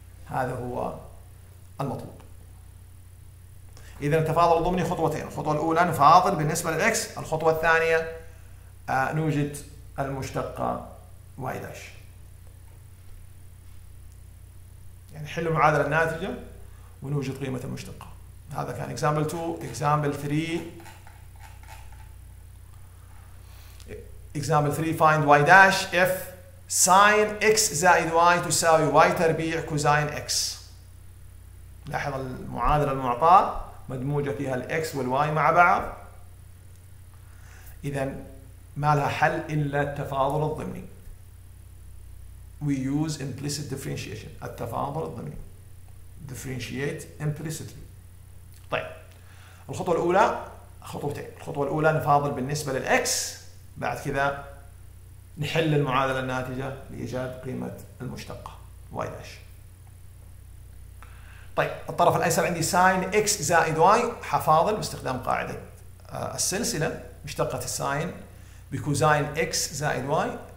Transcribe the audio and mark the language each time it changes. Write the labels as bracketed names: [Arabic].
[Arabic] هذا هو المطلوب. إذا التفاضل الضمني خطوتين، الخطوة الأولى نفاضل بالنسبة للx، الخطوة الثانية نوجد المشتقة y داش. يعني نحل المعادلة الناتجة ونوجد قيمة المشتقة. هذا كان example 2. [English] example 3 example 3 find y dash if sine x زائد y تساوي y تربيع cosine x. [Arabic] لاحظ المعادلة المعطاة مدموجة فيها الاكس والواي مع بعض. إذا ما لها حل إلا التفاضل الضمني. [English] We use implicit differentiation. [Arabic] التفاضل الضمني. [English] Differentiate implicitly. [Arabic] طيب الخطوة الأولى خطوتين. الخطوة الأولى نفاضل بالنسبة للإكس، بعد كذا نحل المعادلة الناتجة لإيجاد قيمة المشتقة واي داش. طيب الطرف الأيسر عندي ساين إكس زائد واي، حفاضل باستخدام قاعدة السلسلة مشتقة الساين بكوزاين إكس زائد واي.